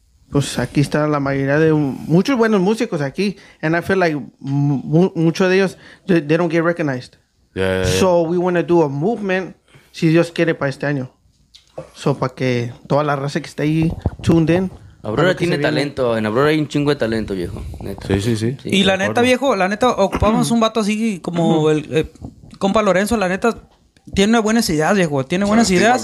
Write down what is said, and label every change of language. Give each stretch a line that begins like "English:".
Spanish: Pues aquí está la mayoría de muchos buenos músicos aquí.
English: And I feel like
Spanish: muchos de ellos,
English: they don't get recognized. Yeah. So we want to do a movement,
Spanish: si Dios quiere, para este año. So para que toda la raza que está ahí
English: tuned in.
Spanish: Aurora tiene talento. En Aurora hay un chingo de talento, viejo. Neta. Sí. Y la neta, viejo, la neta, ocupamos un vato así como el compa Lorenzo. La neta, tiene buenas ideas, viejo. Tiene buenas ideas.